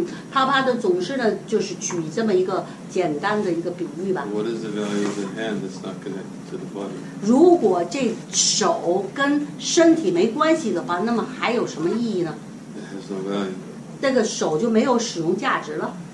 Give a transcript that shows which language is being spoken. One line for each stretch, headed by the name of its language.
Chinese: 帕的总是呢，就是举这么一个简单的一个比喻吧。
English: What is the value of the hand that's not connected to the body?
Chinese: 如果这手跟身体没关系的话，那么还有什么意义呢
English: ？It has no value.
Chinese: 这个手就没有使用价值了。